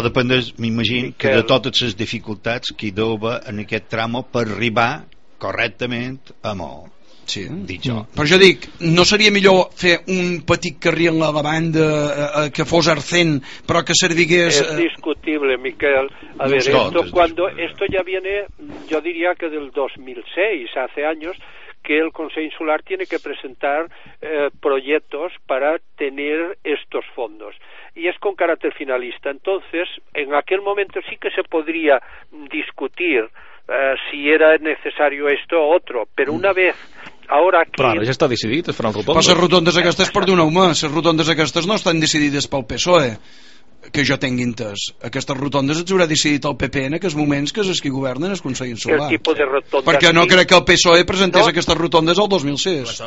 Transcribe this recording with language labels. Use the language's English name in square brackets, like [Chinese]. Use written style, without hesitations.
[Catalan] Això depèn, m'imagino, que de totes les dificultats que hi deuen en aquest tram per arribar correctament a Mol. Sí, dic jo. Però jo dic, no seria millor fer un petit carril a la banda que fos arcent, però que servigués... És discutible, Miquel. [Spanish] A veure, esto ya viene, yo diría que del 2006, hace años, que el Consell Insular tiene que presentar proyectos para tener estos fondos. Y es con carácter finalista. Entonces, en aquel momento sí que se podría discutir si era necesario esto o otro, pero una vez ahora aquí... [Catalan] Però ara ja està decidit, es faran rotondes. Però les rotondes aquestes, perdoneu-me, les rotondes aquestes no estan decidides pel PSOE, que jo tingui entès. Aquestes rotondes els haurà decidit el PP en aquests moments, que és els qui governen el Consell Insular. Perquè no crec que el PSOE presentés aquestes rotondes el 2006.